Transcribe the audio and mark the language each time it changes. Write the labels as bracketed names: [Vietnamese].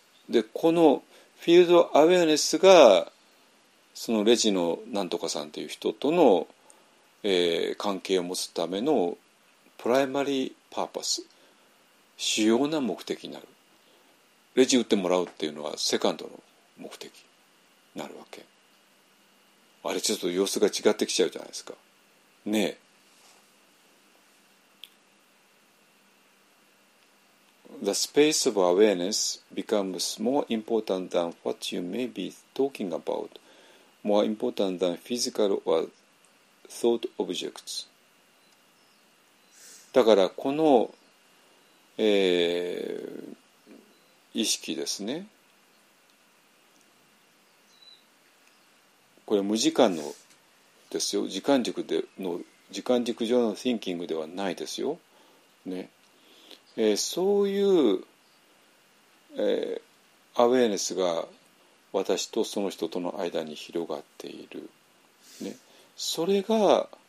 [Japanese] でこのフィールドアウェアネスがそのレジのなんとかさんという人との、関係を持つためのプライマリーパーパス、主要な目的になる。レジ売ってもらうっていうのはセカンドの目的になるわけ。あれちょっと様子が違ってきちゃうじゃないですか。ねえ。 [English] The space of awareness becomes more important than what you may be talking about, more important than physical or thought objects. [Japanese] だからこの、意識ですね、これ無時間のですよ、時間軸での時間軸上の thinking ではないですよ、ね、そういう、アウェーネスが私とその人との間に広がっている、ね、それが、